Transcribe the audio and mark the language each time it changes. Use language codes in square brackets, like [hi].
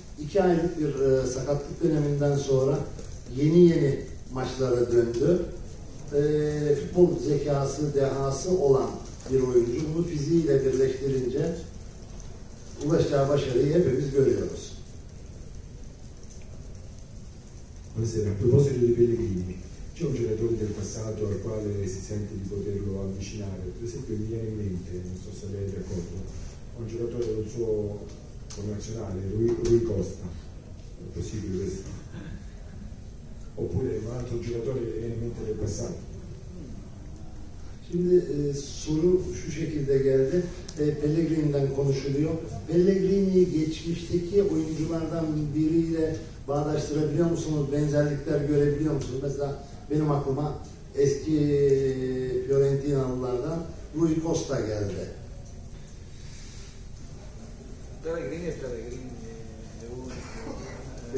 [tr] 2 aylık bir sakatlık döneminden sonra yeni yeni maçlara döndü. Futbol zekası, dehası olan bir oyuncu. Bunu fiziğiyle birleştirince ulaşacağı başarıyı hepimiz görüyoruz. [it] Buonasera. A proposito di Pellegrini, c'è un giocatore del passato al quale si sente di poterlo avvicinare? Per esempio, mi viene in mente, non so se lei è d'accordo, un giocatore del suo nazionale, lui Costa, è possibile questo? Oppure un altro giocatore che viene in mente del passato? [tr] Şimdi soru şu şekilde geldi. Pellegrini'den konuşuluyor. Pellegrini geçmişteki oyunculardan biriyle bağdaştırabiliyor musunuz? Benzerlikler görebiliyor musunuz? Mesela benim aklıma eski Fiorentinalılardan Rui Costa geldi. [it] Pellegrini è Pellegrini, è